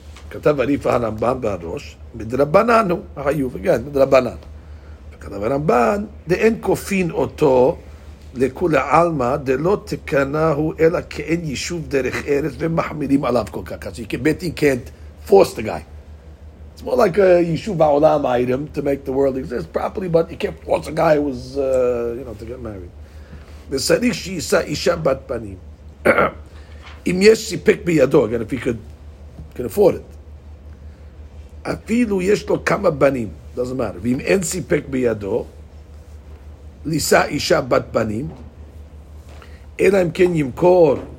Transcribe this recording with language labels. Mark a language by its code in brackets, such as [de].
[he] כתב עריף הרמב״ם בראש, מדרבננו, החיוב, כן, מדרבנן. וכתב הרמב״ן, דאין כופין אותו לכולי עלמא, דלא תקנהו אלא כאין יישוב דרך ארץ, ומחמירים עליו כל כך. [en] So you bet you can't force the guy. It's more like a יישוב העולם item to make the world exist properly, but you can't force a guy who's, you know, to get married. [he] וצריך שיישא אישה בת פנים. אם יש סיפק בידו, [en] again, if he can afford it. [he] אפילו יש לו כמה בנים, [en] doesn't matter, [he] ואם אין סיפק בידו, לישא אישה בת בנים, אלא אם כן ימכור